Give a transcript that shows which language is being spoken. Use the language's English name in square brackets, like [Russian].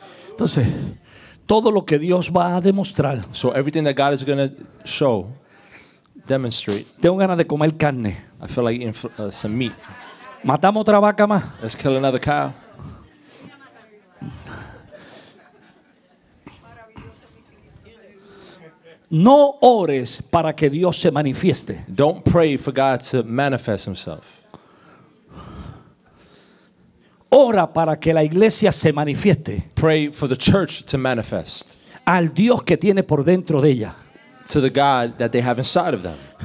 [Spanish] Entonces, todo lo que Dios va a demostrar. [English] So everything that God is going to show, demonstrate. [Spanish] Tengo ganas de comer carne. [English] I feel like eating some meat. [Spanish] Matamos otra vaca más. [English] Let's kill another cow. [Spanish] No ores para que Dios se manifieste. [English] Don't pray for God to manifest himself. [Spanish] Ora para que la iglesia se manifieste. [English] Pray for the church to manifest. [Spanish] Al Dios que tiene por dentro de ella. [English] To the God that they have inside of them.